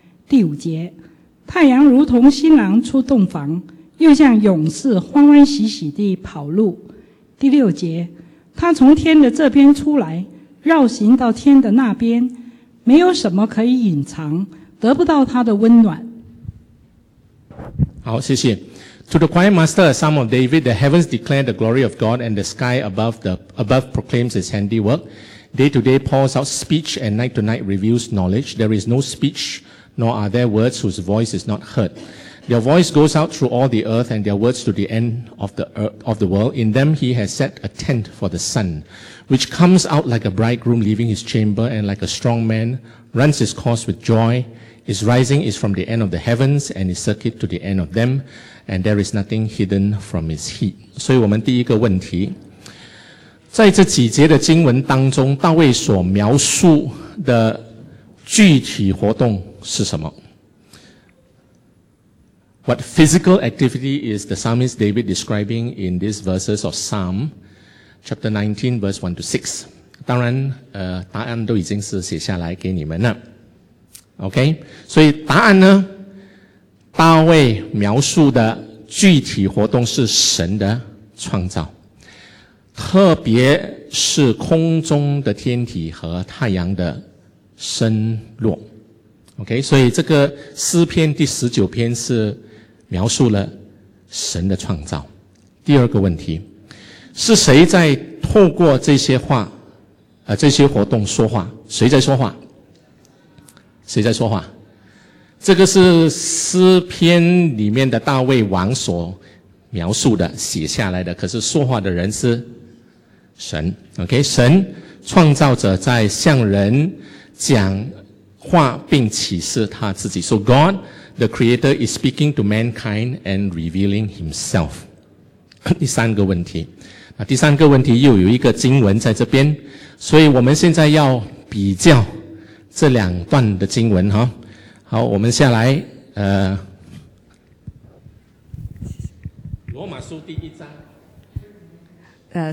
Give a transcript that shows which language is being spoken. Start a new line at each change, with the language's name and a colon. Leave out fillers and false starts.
Chinese: 第五节，太阳如同新郎出洞房，又像勇士欢欢喜喜地跑路。第六节，他从天的这边出来，绕行到天的那边，没有什么可以隐藏，得不到他的温暖。好，谢谢。
English: To the choir master, a psalm of David, the heavens declare the glory of God, and the sky above proclaims his handiwork. Day to day pours out speech, and night to night reveals knowledge. There is no speech, nor are there words whose voice is not heard. Their voice goes out through all the earth, and their words to the end of the world. In them he has set a tent for the sun, which comes out like a bridegroom leaving his chamber, and like a strong man runs his course with joy. His rising is from the end of the heavens, and his circuit to the end of them. And there is nothing hidden from his heat.
Chinese: 所以我们第一个问题，在这几节的经文当中，大卫所描述的具体活动是什么？
English: What physical activity is the psalmist David describing in these verses of Psalm chapter 19 verse 1 to 6？
Chinese: 当然答案都已经是写下来给你们了。 OK， 所以答案呢，大卫描述的具体活动是神的创造，特别是空中的天体和太阳的升落。 OK， 所以这个诗篇第十九篇是描述了神的创造。第二个问题，是谁在透过这些话这些活动说话？谁在说话？谁在说话？这个是诗篇里面的大卫王所描述的写下来的，可是说话的人是神。 OK， 神创造者在向人讲话并启示他自己。
English: So God the creator is speaking to mankind and revealing himself。
Chinese: 第三个问题，第三个问题又有一个经文在这边，所以我们现在要比较这两段的经文。好，我们下来罗马书第一章